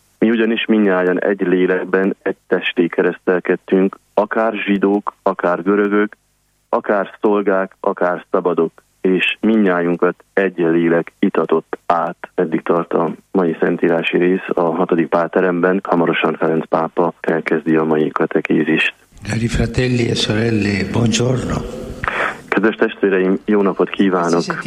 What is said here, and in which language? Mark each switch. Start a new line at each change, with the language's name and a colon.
Hungarian: Mi ugyanis mindnyájan egy lélekben, egy testé keresztelkedtünk, akár zsidók, akár görögök, akár szolgák, akár szabadok, és mindnyájunkat egy lélek itatott át. Eddig tart a mai szentírási rész a 6. pálteremben. Hamarosan Ferenc pápa elkezdi a mai katekézist.
Italian: Cari fratelli e sorelle, buongiorno.
Hungarian: Kedves testvéreim, jó napot kívánok!